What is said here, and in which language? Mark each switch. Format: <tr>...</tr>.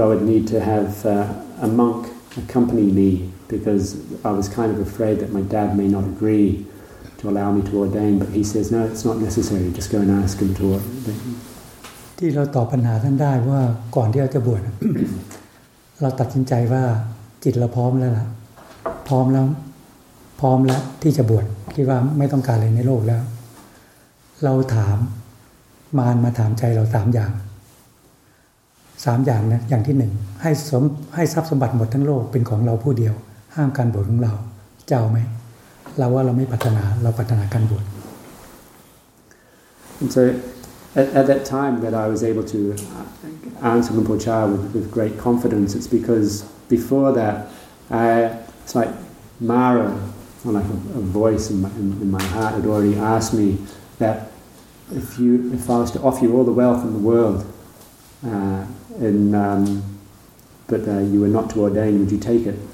<en>And then he just turned around to me and says, yes, that is correct. And he says, this place here, this is your home now. He says, go home and ask for permission to ordain. And at first I thought I would need to have a monk accompany me because I was kind of afraid that my dad may not agree to allow me to ordain. But he says, no, it's not necessary. Just go and ask him to ordain.</en> <th>ที่เราตอบปัญหาท่านได้ว่าก่อนที่เราจะบวช เราตัดสินใจว่าจิตเราพร้อมแล้วล่ะพร้อมแล้วพร้อมแล้วที่จะบวชคิดว่าไม่ต้องการอะไรในโลกแล้วเราถามมารมาถามใจเราสามอย่างสามอย่างนะอย่างที่หนึ่งให้ทรัพย์สมบัติหมดทั้งโลกเป็นของเราผู้เดียวห้ามการบวชของเราเจ้าไหมเราว่าเราไม่ปรารถนาเราปรารถนาการบวช</th> <en>and so at that time that I was able to answer Rinpoche with great confidence it's because before that it's like Mara or like a voice in my heart had already asked me thatIf I was to offer you all the wealth in the world, but you were not to ordain, would you take it?</en>